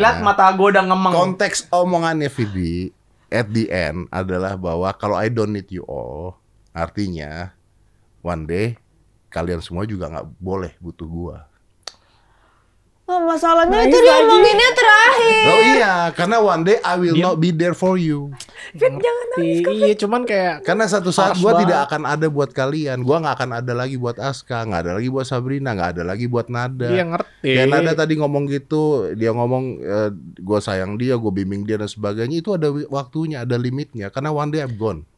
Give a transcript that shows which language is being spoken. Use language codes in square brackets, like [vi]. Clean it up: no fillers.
[id] Lihat mata gue udah ngemeng. Konteks omongannya Phoebe at the end adalah bahwa kalau [en] I don't need you all, [id] artinya [en] one day [id] kalian semua juga gak boleh butuh gue. Oh, masalahnya nah, itu dia omonginnya terakhir. Oh iya, karena [en] one day I will not be there for you. [id] Fit, jangan nangis. Iya, cuman kayak karena satu saat gue tidak akan ada buat kalian. Gue gak akan ada lagi buat Aska, gak ada lagi buat Sabrina, gak ada lagi buat Nada. Iya, ngerti. Dan Nada tadi ngomong gitu, dia ngomong gue sayang dia, gue bimbing dia dan sebagainya. Itu ada waktunya, ada limitnya. Karena [en] one day I'm gone.